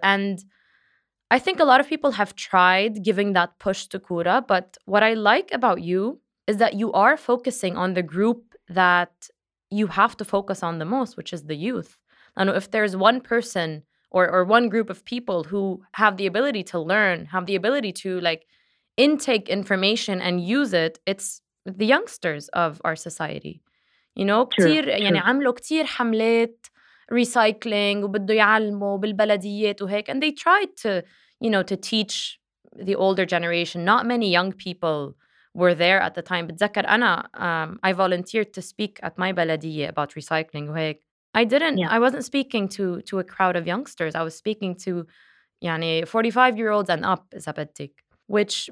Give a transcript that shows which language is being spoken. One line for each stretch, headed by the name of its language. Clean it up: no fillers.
English: And I think a lot of people have tried giving that push to Kura, but what I like about you is that you are focusing on the group that you have to focus on the most, which is the youth. And if there's one person or one group of people who have the ability to learn, have the ability to intake information and use it, it's the youngsters of our society. You know, true,
Arabic: كتير,
English: true.
Arabic: يعني عملوا كتير حملات
English: recycling
Arabic: وبده يعلموا بالبلديات وهيك.
English: And they tried to, you know, to teach the older generation. Not many young people were there at the time.
Arabic: بتذكر أنا,
English: I volunteered to speak at my بلدية about recycling
Arabic: وهيك.
English: I didn't, yeah. I wasn't speaking to a crowd of youngsters. I was speaking to, يعني, 45-year-olds and up,
Arabic: إذا بدك.
English: Which,